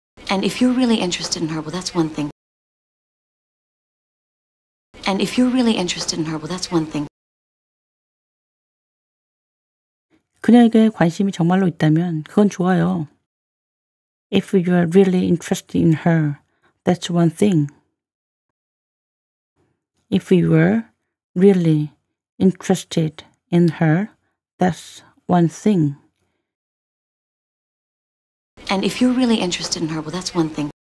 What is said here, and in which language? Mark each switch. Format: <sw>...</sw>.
<en>And if you're really interested in her, well, that's one thing. And if you're really interested in her, well, that's one thing.</en> <ko>그녀에게 관심이 정말로 있다면 그건 좋아요.</ko> <en>If you are really interested in her, that's one thing. If you are really interested in her, that's one thing. And if you're really interested in her, well, that's one thing.</en>